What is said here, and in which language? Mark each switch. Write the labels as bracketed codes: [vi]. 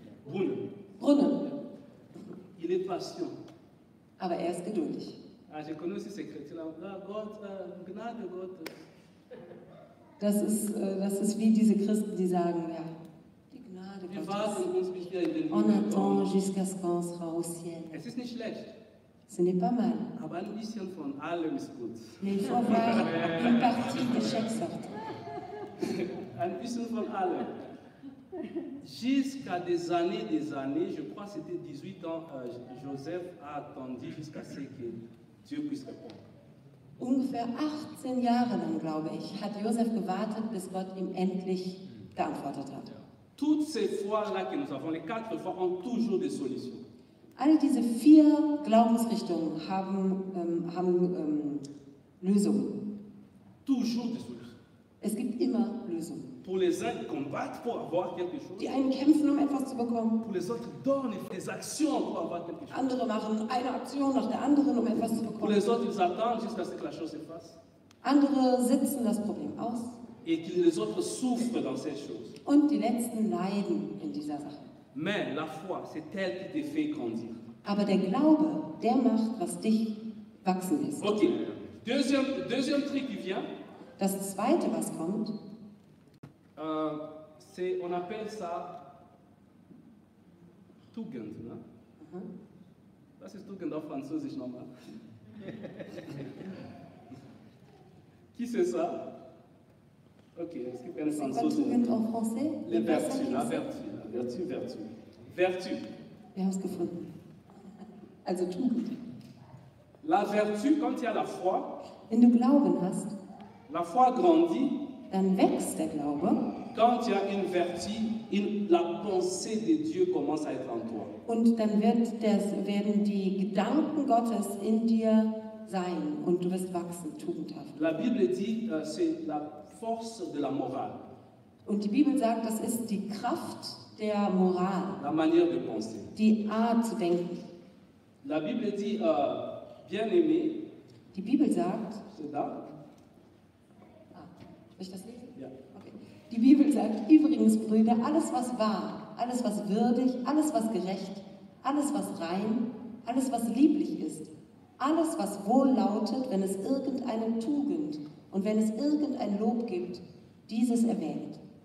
[fr] Brunnen. Il est patient. [de] Aber er ist geduldig. [fr] Je connais ce secret. [de] Gott, Gnade Gottes. Das ist wie diese Christen, die sagen, ja, die Gnade Gottes. [fr] On attend jusqu'à ce qu'on sera au ciel. [de] Es ist nicht schlecht. [fr] Ce n'est pas mal. [de] Aber ein bisschen von allem ist gut. [fr] Mais il faut avoir une partie de chaque sorte. [de] Ein bisschen von allem. [fr] Jusqu'à des années, je crois que c'était 18 ans, Joseph a attendu jusqu'à ce que Dieu puisse répondre. [de] Ungefähr 18 Jahre lang, glaube ich, hat Joseph gewartet, bis Gott ihm endlich geantwortet hat. [fr] Toutes ces fois-là que nous avons, les quatre fois, ont toujours des solutions. [de] All diese vier Glaubensrichtungen haben, Lösungen. [fr] Toujours des solutions. [de] Es gibt immer Lösungen. [fr] Pour les uns, ils combattent pour avoir quelque chose. [de] Die einen kämpfen, um etwas zu bekommen. [fr] Pour les autres, ils donnent des actions pour avoir quelque chose. [de] Andere machen eine Aktion nach der anderen, um etwas zu bekommen. [fr] Pour les autres, ils attendent jusqu'à ce que la chose se fasse. [de] Andere sitzen das Problem aus. [fr] Et que les autres souffrent dans ces choses. [de] Und die letzten leiden in dieser Sache. [fr] Mais la foi, c'est elle qui te fait grandir. [de] Aber der Glaube, der macht, was dich wachsen lässt. Okay. [fr] Deuxième truc qui vient. [de] Das zweite, was kommt. [fr] C'est, on appelle ça Tugend, ne? [de] Was ist Tugend auf Französisch nochmal? [fr] Qui c'est ça? [de] Okay, es gibt eine Französische. [fr] Tugend en français? Les vertus, la vertu. Vertu. Vertu. [de] Wir haben es gefunden. Also Tugend. [fr] La vertu, quand il y a la foi. [de] Wenn du Glauben hast. [fr] La foi grandit. [de] Dann wächst der Glaube. [fr] Quand il y a une vertu, la pensée de Dieu commence à être en toi. [de] Und dann werden die Gedanken Gottes in dir sein und du wirst wachsen, tugendhaft. [fr] La Bible dit, c'est la force de la morale. [de] Und die Bibel sagt, das ist die Kraft der Moral. [fr] La manière de penser. [de] Die Art zu denken. [fr] La Bible dit, bien aimé. [de] Die Bibel sagt. [fr] C'est là. [de] Soll ich das lesen? Ja. Okay. Die Bibel sagt, übrigens, Brüder, alles was wahr, alles was würdig, alles was gerecht, alles was rein, alles was lieblich ist, alles was wohl lautet, wenn es irgendeine Tugend und wenn es irgendein Lob gibt, dieses erwähnt.